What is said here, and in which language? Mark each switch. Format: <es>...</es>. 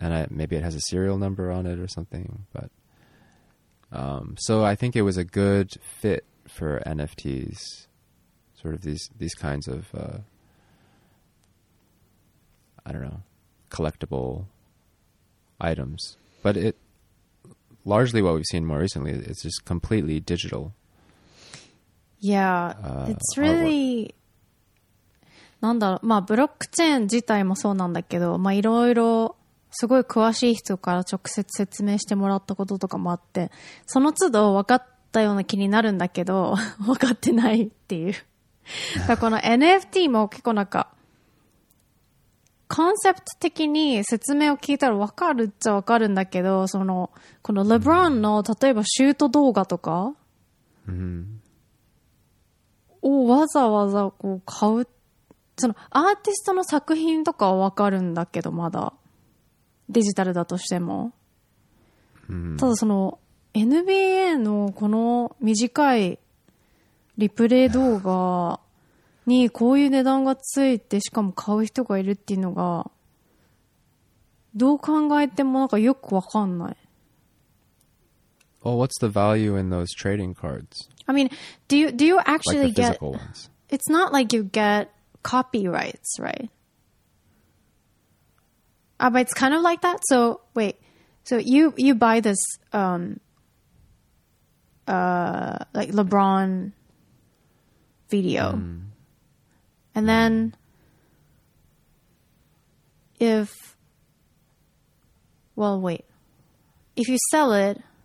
<en>Maybe it has a serial number on it or something, but so I think it was a good fit for NFTs, sort of these kinds of I don't know, collectible items. But it largely what we've seen more recently, it's just completely digital. Yeah, it's really...</en> <ja>なんだろう、まあブロックチェーン自体もそうなんだけど、まあいろいろすごい詳しい人から直接説明してもらったこととかもあって、その都度分かったような気になるんだけど、分かってないっていう。だこの NFT も結構なんか、コンセプト的に説明を聞いたら分かるっちゃ分かるんだけど、その、このレブロンの例えばシュート動画とか、をわざわざこう買う、そのアーティストの作品とかはわかるんだけど、まだデジタルだとしても、うん、ただその NBA のこの短いリプレイ動画にこういう値段がついて、しかも買う人がいるっていうのがどう考えてもなんかよくわかんない。</ja> <en>Well, what's the value in those trading cards? I mean, do you actually like the physical get? It's not like you get copyrights, right? But it's kind of like that. So wait, so you buy this like LeBron video, and then if you sell it.</en>